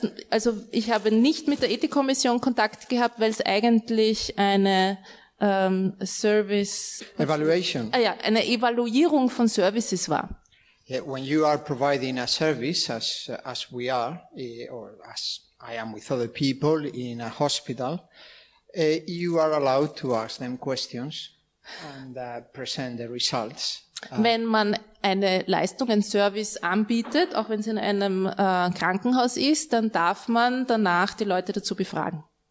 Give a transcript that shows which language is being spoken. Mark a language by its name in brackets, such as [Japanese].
[German] Also ich habe nicht mit der Ethikkommission Kontakt gehabt, weil es eigentlich eine [English] service evaluation. [German] Eine Evaluierung von Services war. [English] Yeah, when you are providing a service, as we are, or as I am with other people in a hospital, you are allowed to ask them questions and present the results. [German] Wenn man eine Leistung, einen Service anbietet, auch wenn es in einem Krankenhaus ist, dann darf man danach die Leute dazu befragen.